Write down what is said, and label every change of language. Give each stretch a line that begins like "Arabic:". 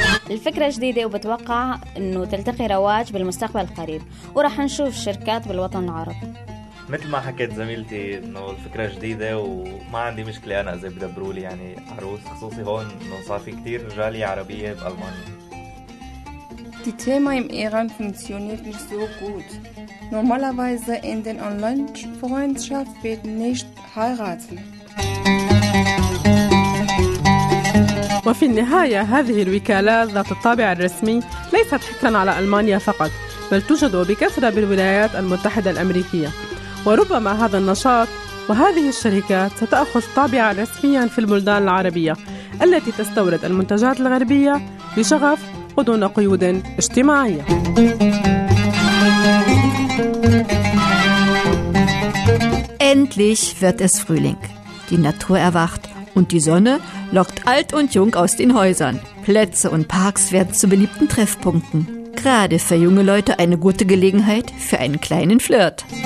Arabic: الفكرة جديدة وبتوقع أنه تلتقي رواج بالمستقبل القريب، وراح نشوف شركات بالوطن العربي. مثل ما حكيت زميلتي أنه الفكرة جديدة وما عندي مشكلة أنا إذا بدبروا لي يعني عروس، خصوصي هون أنه صار في كتير رجالية عربية بألمانيا.
German: Die Thema im Iran funktioniert nicht so gut. Normalerweise in den Online-Freundschaft wird nicht heiraten.
Arabic: وفي النهاية هذه الوكالات ذات الطابع الرسمي ليست حكرا على ألمانيا فقط، بل توجد بكثرة بالولايات المتحدة الأمريكية. وربما هذا النشاط وهذه الشركات ستأخذ طابعا رسميا في البلدان العربية التي تستورد المنتجات الغربية بشغف ودون قيود اجتماعية.
German: Endlich wird es Frühling. Die Natur erwacht und die Sonne lockt alt und jung aus den Häusern. Plätze und Parks werden zu beliebten Treffpunkten. Gerade für junge Leute eine gute Gelegenheit für einen kleinen Flirt.